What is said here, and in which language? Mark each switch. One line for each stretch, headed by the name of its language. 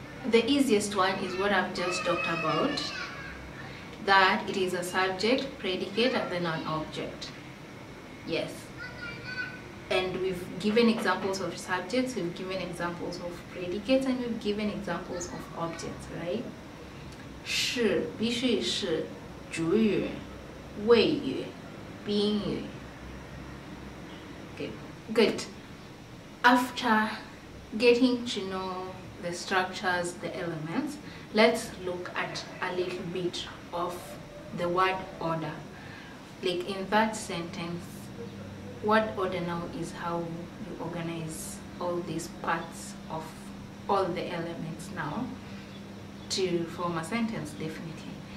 English: The easiest one is what I've just talked about, that it is a subject, predicate, and then an object. Yes. And we've given examples of subjects, we've given examples of predicates, and we've given examples of objects, right?
Chinese: 是必须是主语、谓语、宾语。
English: Good. After getting to knowthe structures, the elements, let's look at a little bit of the word order. Like in that sentence, word order now is how you organize all these parts of all the elements now to form a sentence, definitely.